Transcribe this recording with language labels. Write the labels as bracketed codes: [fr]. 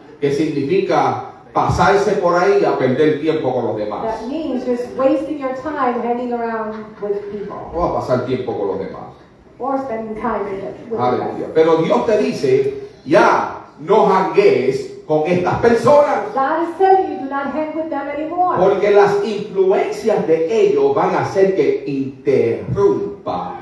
[es] Que significa pasarse por ahí a perder tiempo con los demás. [en] That means just wasting your time hanging around with people. [es] O a pasar tiempo con los demás. [en] Or spending time with [es] them. Aleluya. Pero Dios te dice, ya no hangues con estas personas. [en] God is telling you, do not hang with them anymore. [es] Porque las influencias de ellos van a hacer que interrumpa.